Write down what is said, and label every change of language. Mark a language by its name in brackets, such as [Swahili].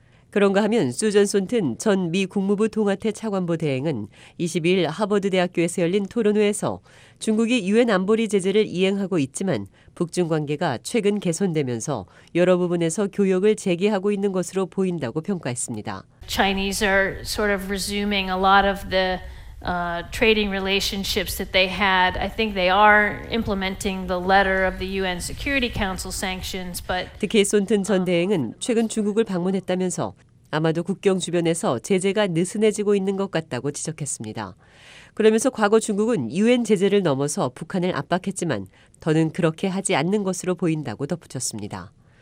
[Korean] 그런가 하면 수잔 손튼 전 미 국무부 동아태 차관보 대행은 22일 하버드대학교에서 열린 토론회에서 중국이 유엔 안보리 제재를 이행하고 있지만 북중 관계가 최근 개선되면서 여러 부분에서 교역을 재개하고 있는 것으로 보인다고 평가했습니다. [English] Chinese are sort of resuming a lot of the trading relationships that they had. I think they are implementing the letter of the UN Security Council sanctions, but [Korean] 특히 손튼 전 대행은 최근 중국을 방문했다면서 아마도 국경 주변에서 제재가 느슨해지고 있는 것 같다고 지적했습니다. 그러면서 과거 중국은 UN 제재를 넘어서 북한을 압박했지만 더는 그렇게 하지 않는 것으로 보인다고 덧붙였습니다.